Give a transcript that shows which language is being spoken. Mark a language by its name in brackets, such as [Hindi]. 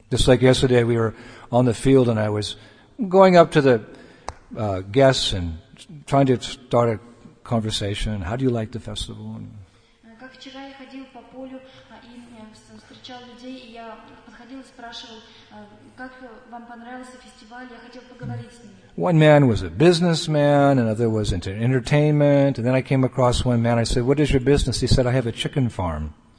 [English] Just like yesterday, we were on the field, and I was going up to the guests and trying to start a conversation. How do you like the festival? [Russian] Как вчера я ходил по полю и встречал людей, и я подходил и спрашивал, как вам понравился фестиваль? Я хотел поговорить с ними. [English] One man was a businessman, another was into entertainment, and then I came across one man. I said, "What is your business?" He said, "I have a chicken farm."